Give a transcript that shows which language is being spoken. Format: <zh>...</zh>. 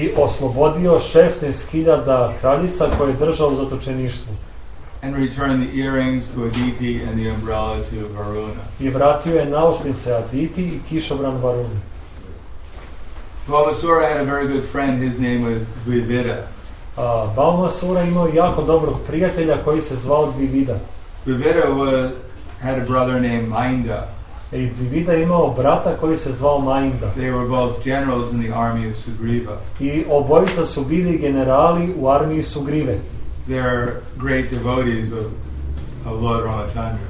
<sr>I oslobodio 16,000 kraljica koje je držao u zatočeništvu.</sr> <en>And returned the earrings to Aditi and the umbrella to Varuna.</en> <sr>I vratio je naušnice Aditi i kišobran Varuna.</sr> <en>Balmasura had a very good friend, his name was Dvivida.</en> <sr>Balmasura imao jako dobrog prijatelja koji se zvao Dvivida.</sr> <en>Dvivida had a brother named Mainda.</en> <sr>I Dvivida je imao brata koji se zvao Mainda.</sr> <en>They were both generals in the army of Sugriva.</en> <sr>I obojica su bili generali u armiji Sugrive.</sr> <en>They're great devotees of Lord Ramachandra.</en>